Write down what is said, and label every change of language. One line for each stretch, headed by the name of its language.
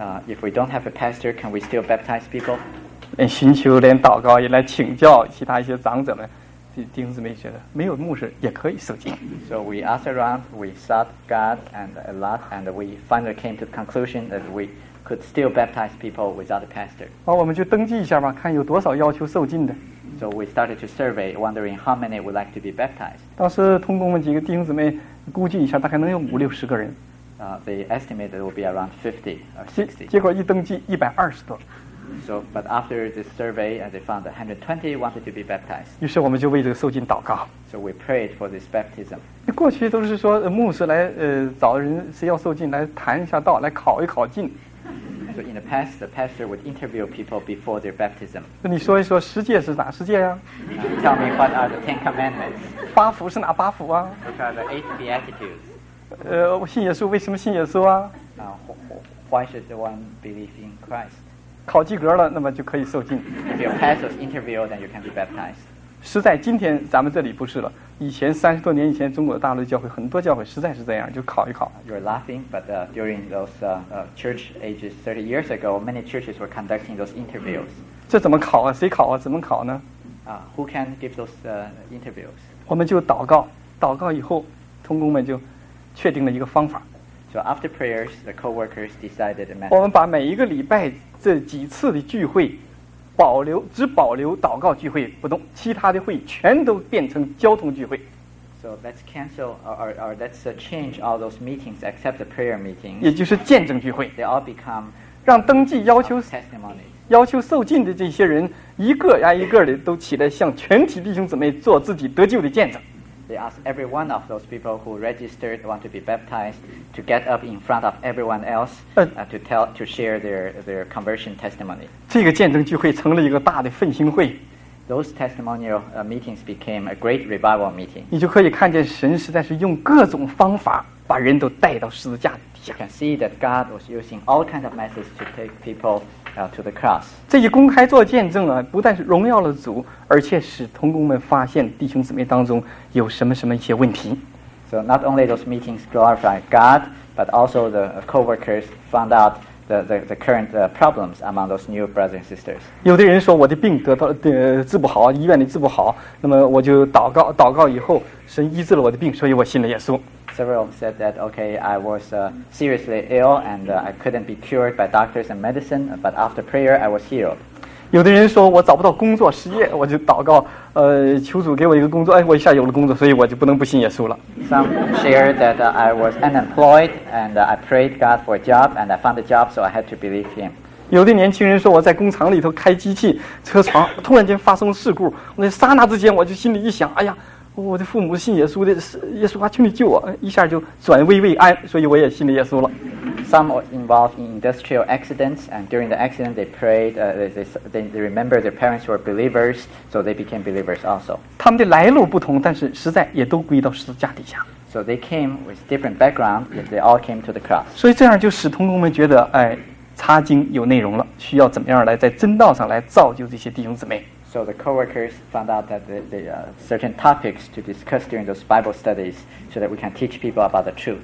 English: If we don't have a pastor, can we still baptize people?
Chinese: 连寻求，连祷告，也来请教其他一些长者们。弟兄姊妹觉得没有牧师也可以受浸。
English: So we asked around, we sought God and a lot, and we finally came to the conclusion that we could still baptize people without a pastor.
Chinese: 好，我们就登记一下吧，看有多少要求受浸的。
English: So we started to survey, wondering how many would like to be baptized.
Chinese: 当时通过我们几个弟兄姊妹估计一下，大概能有五六十个人。
English: They estimated it would be around 50 or 60.
Chinese: 结果一登记120多。
English: So, but after this survey, they found 120 wanted to be baptized.
Chinese: 于是我们就为这个受浸祷告。
English: So we prayed for this baptism.
Chinese: 过去都是说牧师来找人谁要受浸来谈一下道，来考一考浸。
English: So in the past, the pastor would interview people before their baptism.
Chinese: 你说一说十诫是哪十诫呀？
English: Tell me what are the Ten Commandments.
Chinese: 八福是哪八福啊？
English: What are the Eight Beatitudes?
Chinese: 我信耶稣为什么信耶稣啊？
English: Why should one believe in Christ?
Chinese: 考及格了，那么就可以受浸。
English: If you pass this interview, then you can be baptized.
Chinese: 实在，今天咱们这里不是了。以前三十多年以前，中国大陆教会很多教会实在是这样，就考一考。
English: You're laughing, but during those church ages 30 years ago, many churches were conducting those interviews.
Chinese: 这怎么考啊？谁考啊？怎么考呢？
English: Who can give those interviews?
Chinese: 我们就祷告，祷告以后，同工们就确定了一个方法。
English: So after prayers, the co-workers decided a method.
Chinese: 我们把每一个礼拜这几次的聚会保留，只保留祷告聚会不动，其他的会全都变成交通聚会。
English: So let's cancel or let's change all those meetings except the prayer meetings.
Chinese: 也就是见证聚会。
English: They all become
Chinese: 让登记要求
English: testimony.
Chinese: 要求受浸的这些人一个呀一个的都起来向全体弟兄姊妹做自己得救的见证。
English: They asked every one of those people who registered want to be baptized to get up in front of everyone else to share their conversion testimony.
Chinese: 这个见证聚会成了一个大的奋兴会。
English: Those testimonial meetings became a great revival meeting.
Chinese: 你就可以看见神实在是用各种方法把人都带到十字架底下。
English: You can see that God was using all kinds of methods to take people to the cross.
Chinese: 这一公开做见证啊，不但是荣耀了主，而且使同工们发现弟兄姊妹当中有什么什么一些问题。
English: So not only those meetings glorified God, but also the co-workers found out the current problems among those new brothers and sisters.
Chinese: 有的人说我的病得到治不好，医院里治不好，那么我就祷告，祷告以后神医治了我的病，所以我信了耶稣。
English: Several said that, okay, I was seriously ill and I couldn't be cured by doctors and medicine, but after prayer, I was healed.
Chinese: 有的人说我找不到工作失业，我就祷告，求主给我一个工作，哎，我一下有了工作，所以我就不能不信耶稣了。
English: Some shared that I was unemployed and I prayed God for a job and I found a job, so I had to believe him.
Chinese: 有的年轻人说我在工厂里头开机器车床突然间发生事故，那刹那之间我就心里一想，哎呀，我的父母信耶稣的，耶稣啊，求你救我，一下就转危为安，所以我也信了耶稣了。
English: Some were involved in industrial accidents, and during the accident, they prayed. They remember their parents were believers, so they became believers also.
Chinese: 他们的来路不同，但是实在也都归到十字架底下。
English: So they came with different background, but they all came to the cross.
Chinese: 所以这样就使同工们觉得，哎，查经有内容了，需要怎么样来在真道上来造就这些弟兄姊妹。
English: So the co-workers found out that certain topics to discuss during those Bible studies so that we can teach people about the truth.